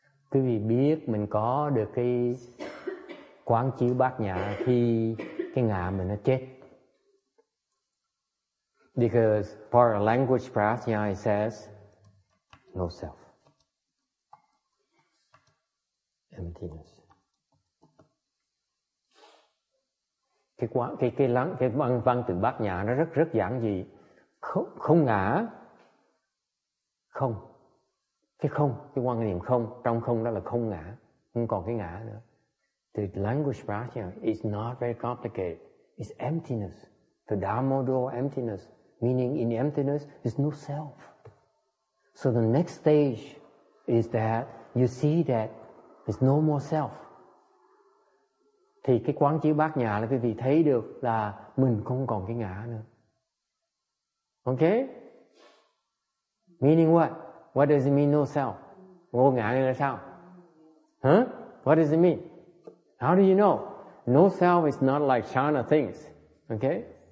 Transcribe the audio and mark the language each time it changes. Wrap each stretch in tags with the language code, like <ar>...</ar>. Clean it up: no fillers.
<vi>Quý vị biết mình có được cái quán chiếu Bát Nhã khi cái ngã mình nó chết.</vi> <en>Because part of language pratyaya says no self. Emptiness.</en> <vi>Cái văn từ Bát Nhã nó rất rất giản dị. Không ngã. Không. Cái không, cái quan niệm không, trong không đó là không ngã, không còn cái ngã nữa.</vi> <en>The language pratyaya is not very complicated. It's emptiness. The Dhammo dual emptiness, meaning in emptiness is no self. So the next stage is that you see that there's no more self.</en> <vi>Thì cái quán chiếu Bát Nhã là quý vị thấy được là mình không còn cái ngã nữa.</vi> <en>Okay? Meaning what? What does it mean no self?</en> <vi>Vô ngã là sao?</vi> <en>Huh? What does it mean? How do you know? No self is not like China thinks. Okay?</en>